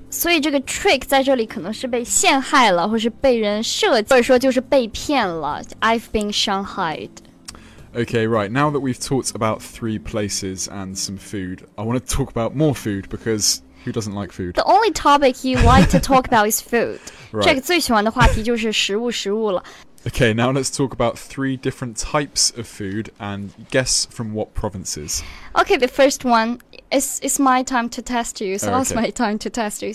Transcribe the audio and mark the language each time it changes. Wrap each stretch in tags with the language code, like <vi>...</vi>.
<zh>所以这个 trick 在这里可能是被陷害了或是被人设计或者说就是被骗了</zh> <en>I've been Shanghai'd Okay, right, now that we've talked about three places and some food, I want to talk about more food because who doesn't like food? The only topic you like to talk about is food. Right.</en> <zh>这个最喜欢的话题就是食物了。</zh> <en>Okay, now let's talk about three different types of food and guess from what provinces. Okay, the first one, it's my time to test you, so it's my time to test you.</en>